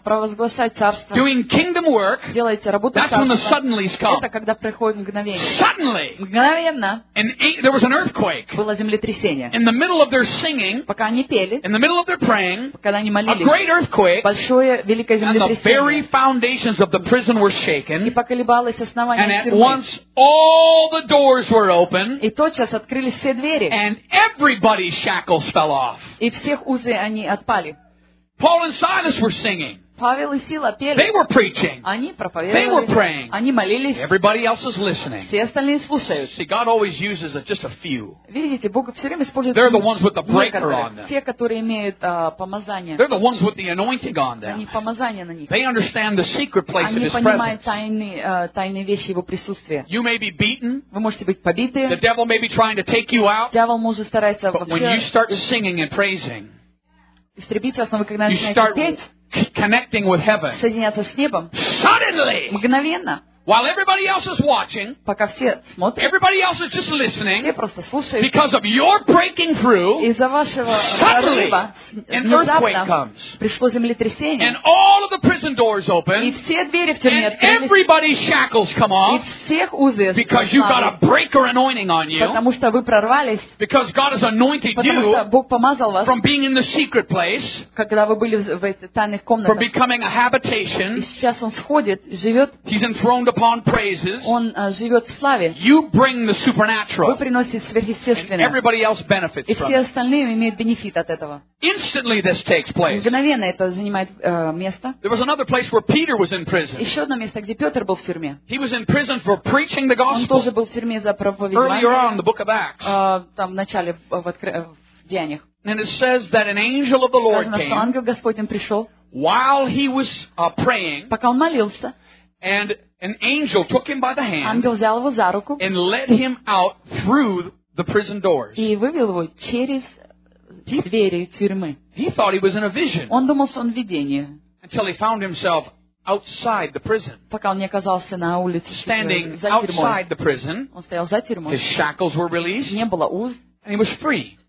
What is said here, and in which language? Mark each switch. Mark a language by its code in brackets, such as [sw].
[ru] провозглашать царство, [en] doing kingdom work, [ru] делаете работу царства, [en] that's when the suddenlies come. [ru] Это когда приходит мгновение. [en] Suddenly, [ru] мгновенно, [en] there was an earthquake, [ru] было землетрясение. [en] In the middle of their singing, [ru] пока они пели, [en] in the middle of their praying, [ru] когда они молились, [en] a great earthquake, [ru] большое великое землетрясение, [en] and the very foundations of the prison were shaken, [ru] и поколебалось. [en] And at once all the doors were open, [ru] и тотчас открылись все двери, [en] and everybody's shackles fell off. [ru] И всех узы они отпали. [en] Paul and Silas were singing. [ru] Павел и Сила пели. [en] They were preaching. [ru] Они проповедовали. [en] They were praying. [ru] Они молились. [en] Everybody else is listening. [ru] Все остальные слушают. [en] See, God always uses just a few. [ru] Видите, Бог все время использует. [en] They're the ones with the breaker on them. [ru] Те, которые имеют помазание. [en] They're the ones with the anointing on them. [ru] Они помазание на них. [en] They understand the secret place [ru] они [en] of His presence. [ru] Они понимают тайные вещи Его присутствия. [en] You may be beaten. [ru] Вы можете быть побиты. [en] The devil may be trying to take you out. [ru] Дьявол может стараться вообще. [en] But when you start singing and praising, [ru] истребить основы, когда начинаете петь. [en] Connecting with heaven. [ru] Соединяться с небом. [en] Suddenly. [ru] Мгновенно. [en] While everybody else is watching. [ru] Пока все смотрят. [en] Everybody else is just listening. [ru] Все просто слушают. [en] Because of your breaking through. [ru] Из-за вашего прорыва. [en] Suddenly. [ru] Пришло землетрясение. [en] And all of the prison doors open. [ru] И все двери в тюрьме открылись. [en] And everybody's shackles come off. [ru] И всех узы сняли. [en] Because you've got a breaker anointing on you. [ru] Потому что вы прорвались. [en] Because God has anointed you. [ru] Потому что Бог помазал вас. [en] From being in the secret place. [ru] Когда вы были в этих тайных комнатах. [en] From becoming a habitation. [ru] И сейчас он сходит, живет. [en] He's enthroned upon praises. [ru] Он живет в славе. [en] You bring the supernatural. [ru] Вы приносите сверхъестественное. [en] And everybody else benefits from it. [ru] И все остальные имеют бенефит от этого. [en] Instantly this takes place. [ru] Мгновенно это занимает место. [en] There was another place where Peter was in prison. [ru] Еще одно место, где Петр был в тюрьме. [en] He was in prison for preaching the gospel. [ru] Он тоже был в тюрьме за проповедь. [en] Earlier on in the book of Acts. [ru] Там в начале в Деяниях. [en] And it says that an angel of the Lord came. [ru] Сказано, что ангел Господень пришел. [en] While he was praying. [ru] Пока он молился. [en] And an angel took him by the hand. [ru] Ангел взял его за руку. [en] And led him out through the prison doors. [ru] И вывел его через двери тюрьмы. [en] He thought he was in a vision. [ru] Он думал, что он в видении. [en] Until he found himself outside the prison. [ru] Пока он не оказался на улице. [en] Standing outside the prison. [ru] Он стоял за тюрьмой. [en] His shackles were released. [ru] Не было уз. [en] And he was free.